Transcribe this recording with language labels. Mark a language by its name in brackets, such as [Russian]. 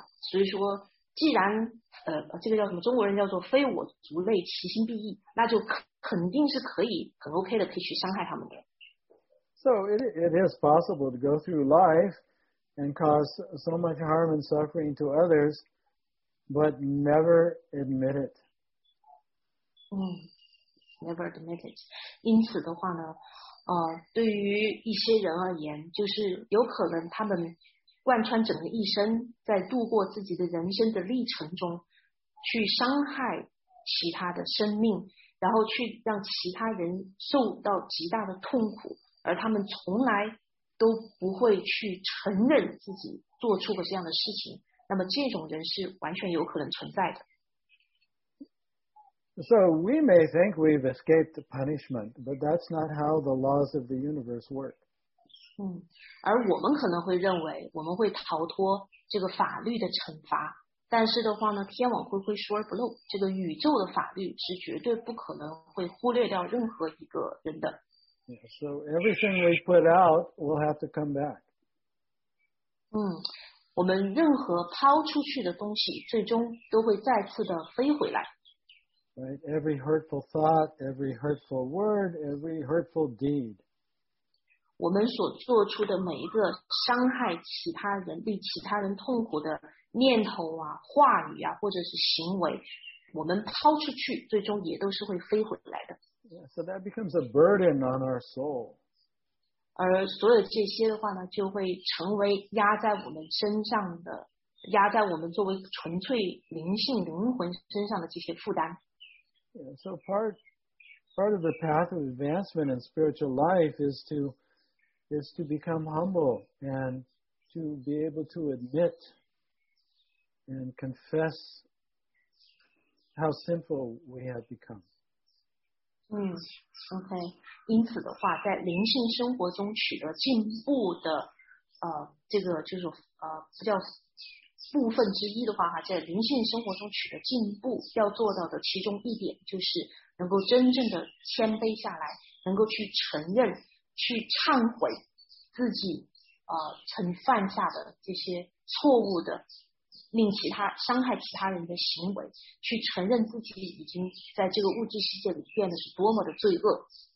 [Chinese] 所以说既然这个叫什么中国人叫做非我族类其心必异，那就肯定是可以很 OK 的可以去伤害他们的。 [English] So it is possible to go through life and cause so much harm and suffering to others, but never admit it. Never admit it. [Chinese] 因此的话呢，对于一些人而言，就是有可能他们贯穿整个一生，在度过自己的人生的历程中，去伤害其他的生命，然后去让其他人受到极大的痛苦，而他们从来都不会去承认自己做出过这样的事情，那么这种人是完全有可能存在的。 [English] So we may think we've escaped punishment, but that's not how the laws of the universe work. [Chinese] 而我们可能会认为我们会逃脱这个法律的惩罚，但是的话呢，天网恢恢，疏而不漏，这个宇宙的法律是绝对不可能会忽略掉任何一个人的。 [English] Yeah, so everything we put out will have to come back. [Chinese] 我们任何抛出去的东西最终都会再次的飞回来。 [English] Right, every hurtful thought, every hurtful word, every hurtful deed. [Chinese] 我们所做出的每一个伤害其他人，令其他人痛苦的念头啊，话语啊，或者是行为，我们抛出去最终也都是会飞回来的。 [English] Yeah, so that becomes a burden on our soul. [Chinese] 而所有这些的话呢，就会成为压在我们身上的，压在我们作为纯粹灵性灵魂身上的这些负担。 [English] Yeah, so part of the path of advancement in spiritual life is to become humble and to be able to admit and confess how sinful we have become. Okay. [Chinese] 因此的话，在灵性生活中取得进步的这个就是不叫部分之一的话，在灵性生活中取得进步要做到的其中一点，就是能够真正的谦卑下来，能够去承认，去忏悔自己曾犯下的这些错误的，令其他伤害其他人的行为，去承认自己已经在这个物质世界里变得是多么的罪恶。